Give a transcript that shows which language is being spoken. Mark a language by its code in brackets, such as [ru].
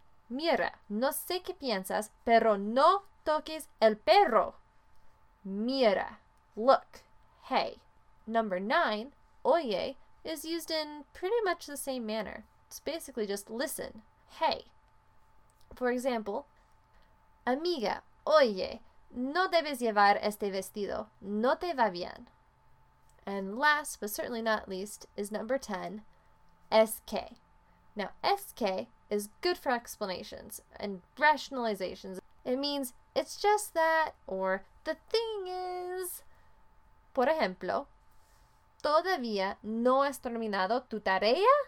[es] Mira, no sé qué piensas, pero no toques el perro. [en] Mira, look, hey. Number 9, oye, is used in pretty much the same manner. It's basically just listen, hey. For example, [es] amiga, oye, no debes llevar este vestido, no te va bien. [en] And last, but certainly not least, is number 10, es que. Now, es que is good for explanations and rationalizations. It means it's just that, or the thing is. [es] Por ejemplo, ¿todavía no has terminado tu tarea?